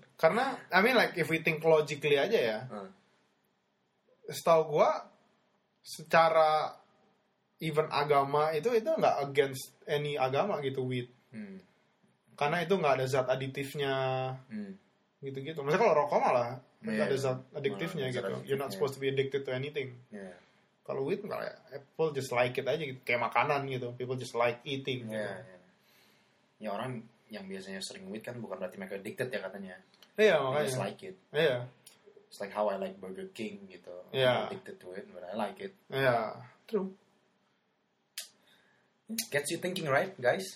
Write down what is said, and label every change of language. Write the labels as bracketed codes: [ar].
[id] Karena, I mean like if we think logically aja ya. Setahu gua, secara even agama itu nggak against any agama gitu weed. Karena itu nggak ada zat adiktifnya gitu-gitu. Maksudnya kalau rokok malah nggak ada zat adiktifnya gitu. [en] Adiktif, you're not supposed to be addicted to anything. Yeah. [id] Kalau weed nggak ya. People just like it aja gitu. Kayak makanan gitu. [en] People just like eating. [id] Yeah, gitu. Yeah. Ya orang yang biasanya sering weed kan bukan berarti mereka addicted ya katanya. Iya yeah, makanya. [en] Just like it. [id] Iya. Yeah. [en] It's like how I like Burger King gitu. [id] Iya. Yeah. [en] Addicted to it but I like it. [id] Iya. Yeah. True. [en] Gets you thinking right, guys?